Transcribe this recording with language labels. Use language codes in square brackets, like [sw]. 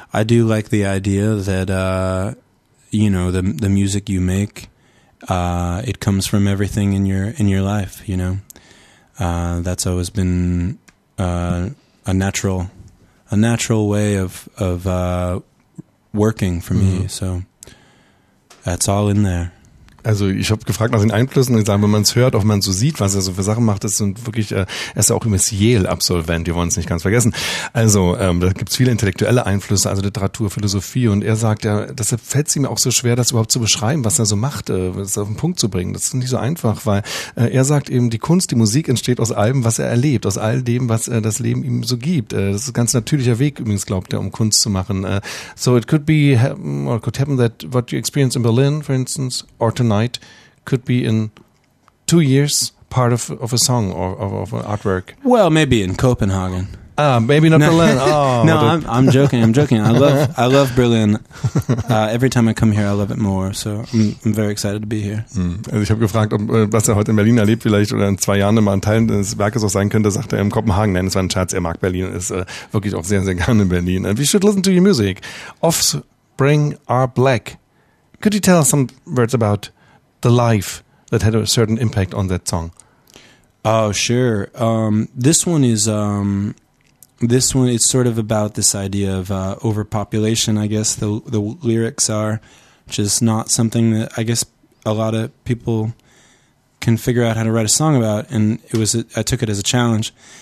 [en] I do like the idea that, you know, the music you make, it comes from everything in your life, you know. That's always been a natural way of working for me. So that's all in there. [de] Also ich habe gefragt nach den Einflüssen und sagen, wenn man es hört, auch man so sieht, was er so für Sachen macht, das sind wirklich, er ist ja auch übrigens Yale-Absolvent, wir wollen es nicht ganz vergessen. Also da gibt es viele intellektuelle Einflüsse, also Literatur, Philosophie, und er sagt ja, deshalb fällt es ihm auch so schwer, das überhaupt zu beschreiben, was er so macht, das auf den Punkt zu bringen. Das ist nicht so einfach, weil er sagt eben, die Kunst, die Musik entsteht aus allem, was er erlebt, aus all dem, was das Leben ihm so gibt. Das ist ein ganz natürlicher Weg, übrigens, glaubt er, um Kunst zu machen. [en] So it could be, or could happen that what you experience in Berlin, for instance, or tonight, night could be in 2 years part of a song or of artwork. Well, maybe in Copenhagen. Maybe not Berlin. No, I'm joking. I love Berlin. Every time I come here, I love it more. So I'm very excited to be here. [de] Also ich habe gefragt, was er heute in Berlin erlebt, vielleicht oder in 2 Jahren mal ein Teil des Werkes auch sein könnte, sagt er in Kopenhagen. Nein, es war ein Scherz. Er mag Berlin, ist wirklich auch sehr, sehr gerne in Berlin. [en] We should listen to your music. Offspring Are Black. Could you tell us some words about the life that had a certain impact on that song? Oh, sure. This one is sort of about this idea of overpopulation, I guess the lyrics are, which is not something that I guess a lot of people can figure out how to write a song about, and I took it as a challenge.